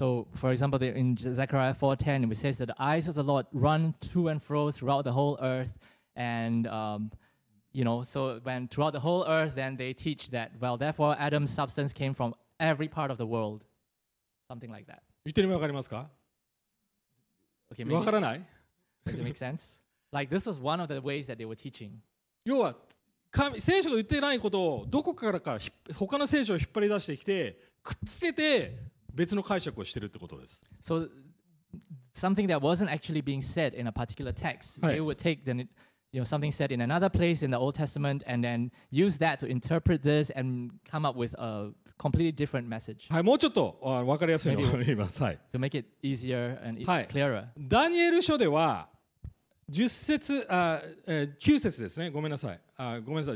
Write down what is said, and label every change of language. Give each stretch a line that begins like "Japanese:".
English: So, for example, in Zechariah 4:10, it says that the eyes of the Lord run to and fro throughout the whole earth, and you know, so when throughout the whole earth, then they teach that, well, therefore Adam's substance came from every part of the world, something like that.
Japanese: 言ってる意味わかりますか？
English: Okay, maybe.
Japanese: わからない。
English: Does it make sense? Like this was one of the ways that they were teaching.
Japanese: 要は聖書が言ってないことをどこからか他の聖書を引っ張り出してきてくっつけて別の解釈をしてるってことです。
English: So something that wasn't actually being said in a particular text, they would take then, you know, something said in another place in the Old Testament and then use that to interpret this and come up with a completely different message.
Japanese: はい、もうちょっと分かりやすいのを言います。はい。
English: To make it easier and clearer.
Japanese: ダニエル書では10節、9節ですね。ごめんなさい。ごめんなさい。